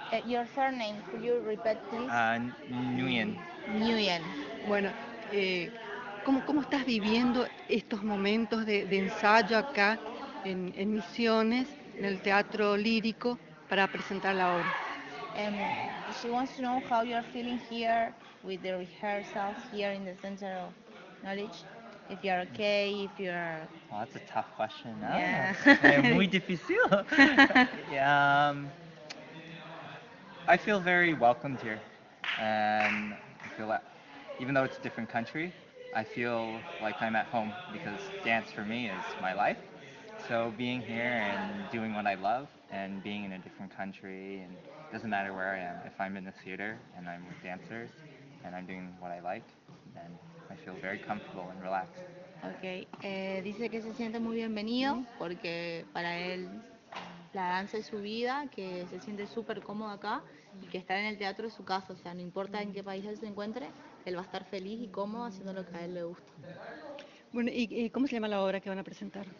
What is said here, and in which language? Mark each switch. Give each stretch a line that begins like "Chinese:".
English: Your surname, could you repeat, please? Nguyen. Nguyen.
Spanish: Bueno, ¿cómo estás viviendo estos momentos de ensayo acá en Misiones, en el Teatro Lírico, para presentar la obra?
English: She wants to know how you're feeling here with the rehearsals here in the Center of Knowledge. If you're okay, if you're... Well, that's a tough question. Yeah.
Spanish: Muy difícil.
English: I feel very welcomed here. And I feel like, even though it's a different country, I feel like I'm at home because dance for me is my life. So being here and doing what I love and being in a different country, and it doesn't matter where I am. If I'm in the theater and I'm with dancers and I'm doing what I like, then I feel very comfortable and relaxed. Okay.
Spanish: Dice que se siente muy bienvenido porque para él la danza es su vida, que se siente súper cómodo acá y que estar en el teatro es su casa. O sea, no importa en qué país él se encuentre, él va a estar feliz y cómodo haciendo lo que a él le gusta. Bueno, ¿y cómo se llama la obra que van a presentar?